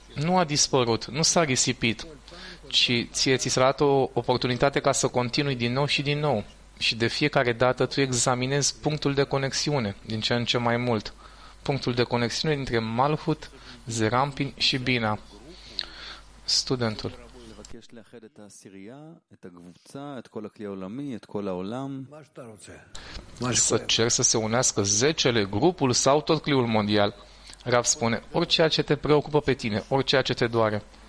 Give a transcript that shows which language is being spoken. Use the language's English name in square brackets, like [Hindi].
[Romanian] Nu a dispărut, nu s-a risipit, ci ție ți s-a dat o oportunitate ca să continui din nou și din nou. Și de fiecare dată tu examinezi punctul de conexiune, din ce în ce mai mult. Punctul de conexiune dintre Malhut, Zerampin și Bina. Studentul. [Hebrew] יש לאחד את הסירייה, את הקבוצה, את כל הכלי העולמי, את כל העולם. מה שאתה רוצה. [Romanian] Să cer să se unească zecele, grupul sau tot cliul mondial. Rav spune, orice ce te preocupă pe tine, orice ce te doare.